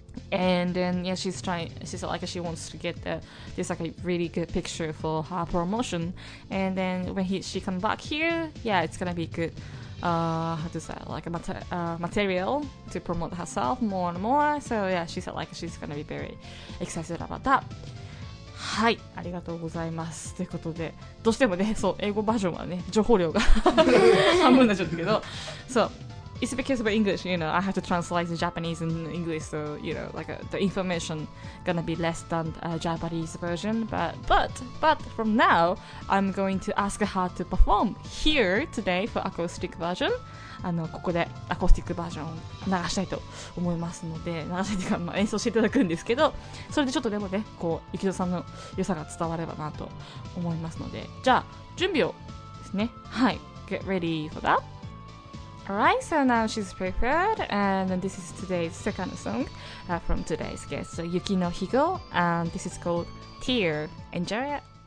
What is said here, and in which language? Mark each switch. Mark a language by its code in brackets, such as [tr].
[en] And then, yeah, she's trying, she's like, she wants to get this, like, a really good picture for her promotion. And then when she comes back here, yeah, it's gonna be good, how to say, like, material to promote herself more and more. So, yeah, she said, like, she's gonna be very excited about that. [ja] はい、ありがとうございます。ということで、どうしてもね、そう、英語バージョンはね、情報量が半分になっちゃったけど、そう。 [en] It's because of English, you know, I have to translate the Japanese and English, so, you know, like, the information gonna be less than a Japanese version, but from now, I'm going to ask her to perform here today for acoustic version. [ja] ここでアコースティックバージョンを流したいと思いますので、流したいというか、まあ、演奏していただくんですけど、それでちょっとでもね、こう、ゆきどさんの良さが伝わればなと思いますので、じゃあ、準備をですね、はい、 [en] get ready for that. Alright, so now she's prepared, and this is today's second song from today's guest, so Yuki no Higo, and this is called Tear. Enjoy it!